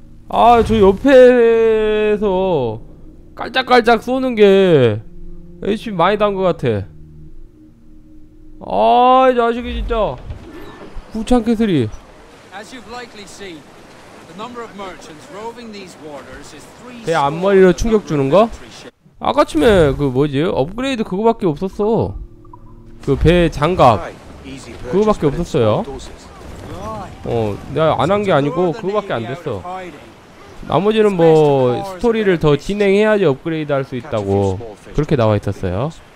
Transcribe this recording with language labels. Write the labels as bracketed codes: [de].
[ko] 아, 저 옆에서 깔짝깔짝 쏘는 게 HP 많이 단 것 같아. 아, 이 자식이 진짜 구창 캐슬이. [en] As you've likely seen, the number of merchants roving these waters is 3. [ko] 걔 앞머리로 충격 주는 거? 아까 쯤에 그 뭐지? 업그레이드 그거밖에 없었어. 그 배 장갑 그거밖에 없었어요. 어, 내가 안 한 게 아니고 그거밖에 안 됐어. 나머지는 뭐 스토리를 더 진행해야지 업그레이드 할 수 있다고 그렇게 나와 있었어요.